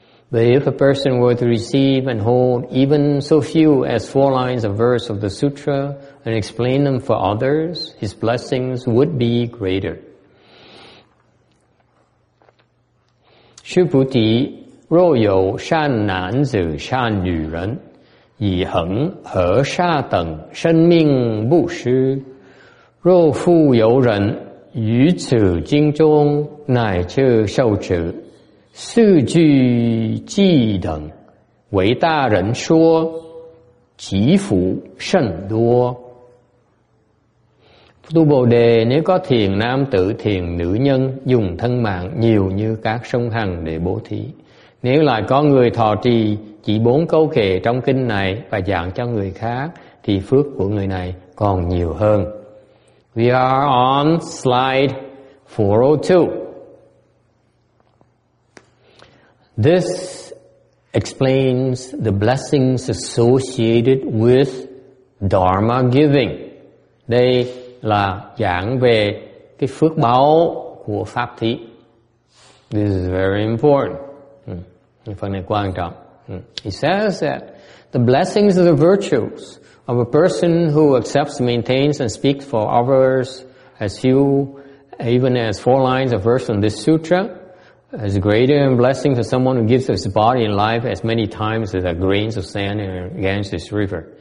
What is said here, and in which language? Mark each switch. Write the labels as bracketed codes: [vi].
[en] But if a person were to receive and hold even so few as four lines of verse of the sutra and explain them for others, his blessings would be greater. [zh] Subhuti, 若有善男子善女人, 以恒和沙等生命布施若复有人于此经中乃至受持四句偈等为大人说其福甚多。 [vi] Do bồ đề, nếu có thiền nam tử thiền nữ nhân dùng thân mạng nhiều như các sông Hằng để bố thí, nếu lại có người thọ trì chỉ bốn câu kệ trong kinh này và giảng cho người khác thì phước của người này còn nhiều hơn. [en] We are on slide 402. This explains the blessings associated with Dharma giving. [vi] Đây là giảng về cái phước báo của pháp thí. [en] This is very important. [vi] Phần này quan trọng. [en] He says that the blessings of the virtues of a person who accepts, maintains, and speaks for others as few, even as four lines of verse in this sutra, is greater than blessings of someone who gives his body and life as many times as the grains of sand in Ganges River.